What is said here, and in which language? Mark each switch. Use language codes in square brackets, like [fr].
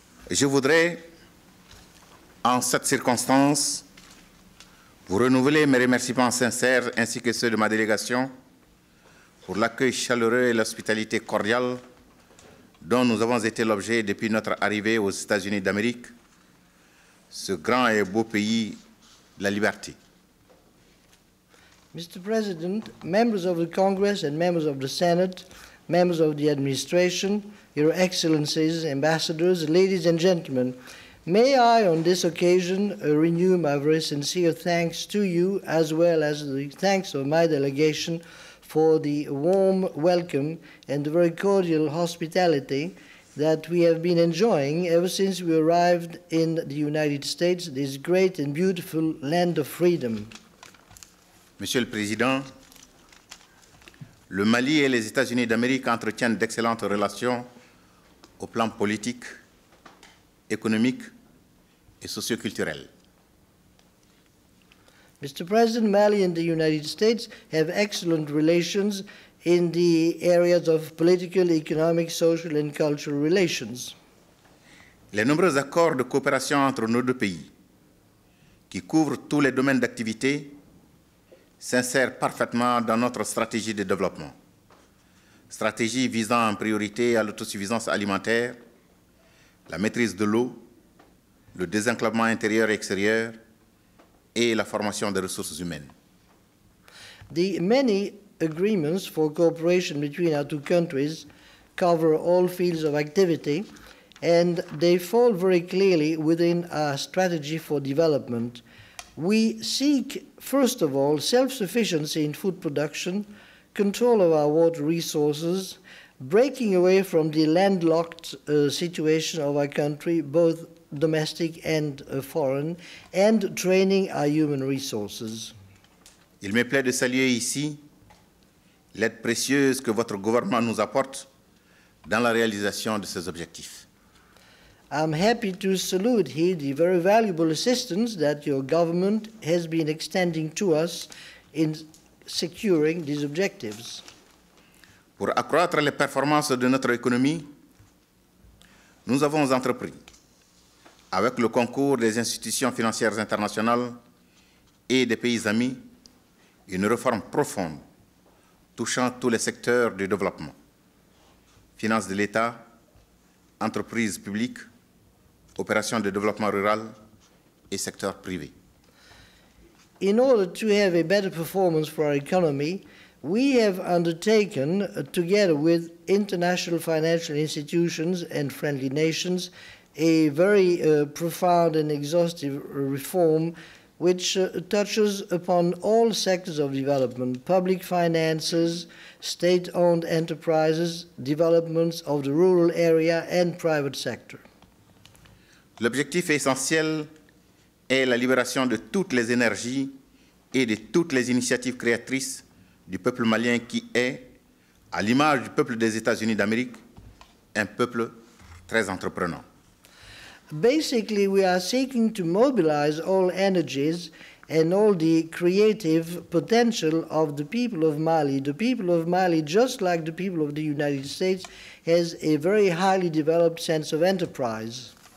[fr] je voudrais, en cette circonstance, vous renouveler mes remerciements sincères ainsi que ceux de ma délégation pour l'accueil chaleureux et l'hospitalité cordiale dont nous avons été l'objet depuis notre arrivée aux États-Unis d'Amérique, ce grand et beau pays de la liberté. [en] Mr. President, members of the Congress and members of the Senate, members of the administration, your excellencies, ambassadors, ladies and gentlemen, may I on this occasion renew my very sincere thanks to you as well as the thanks of my delegation for the warm welcome and the very cordial hospitality that we have been enjoying ever since we arrived in the United States, this great and beautiful land of freedom. [fr] Monsieur le Président, le Mali et les États-Unis d'Amérique entretiennent d'excellentes relations au plan politique, économique et socioculturel. [en] Mr. President, Mali and the United States have excellent relations in the areas of political, economic, social and cultural relations. [fr] Les nombreux accords de coopération entre nos deux pays, qui couvrent tous les domaines d'activité, s'insèrent parfaitement dans notre stratégie de développement. Stratégie visant en priorité à l'autosuffisance alimentaire, la maîtrise de l'eau, le désenclavement intérieur et extérieur, et la formation des ressources humaines. [en] The many agreements for cooperation between our two countries cover all fields of activity, and they fall very clearly within our strategy for development. We seek, first of all, self-sufficiency in food production, control of our water resources, breaking away from the landlocked situation of our country, both domestic and foreign, and training our human resources. [fr] Il me plaît de saluer ici l'aide précieuse que votre gouvernement nous apporte dans la réalisation de ces objectifs. [en] I'm happy to salute here the very valuable assistance that your government has been extending to us in securing these objectives. [fr] Pour accroître les performances de notre économie, nous avons entrepris, avec le concours des institutions financières internationales et des pays amis, une réforme profonde touchant tous les secteurs du développement, finances de l'État, entreprises publiques, opérations de développement rural et secteur privé. [en] In order to have a better performance for our economy, we have undertaken, together with international financial institutions and friendly nations, a very profound and exhaustive reform which touches upon all sectors of development, public finances, state-owned enterprises, developments of the rural area and private sector. [fr] L'objectif essentiel est la libération de toutes les énergies et de toutes les initiatives créatrices du peuple malien qui est, à l'image du peuple des États-Unis d'Amérique, un peuple très entreprenant. [en] Basically, we are seeking to mobilize all energies and all the creative potential of the people of Mali. The people of Mali, just like the people of the United States, has a very highly developed sense of enterprise.